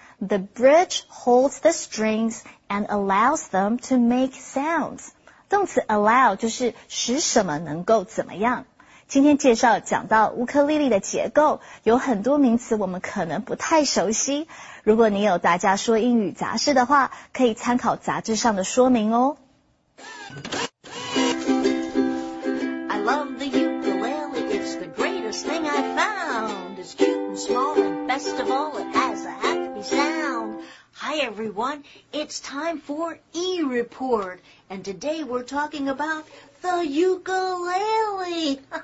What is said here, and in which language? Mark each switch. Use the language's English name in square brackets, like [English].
[English] The bridge holds the strings and allows them to make sounds. [Chinese] 动词 allow 就是使什么能够怎么样。今天介绍讲到乌克丽丽的结构，有很多名词我们可能不太熟悉。如果你有大家说英语杂志的话，可以参考杂志上的说明哦。 [English] I love the ukulele, it's the greatest thing I've found. It's cute and small, and best of all, it has a happy sound. Hi everyone, it's time for e-report, and today we're talking about the ukulele.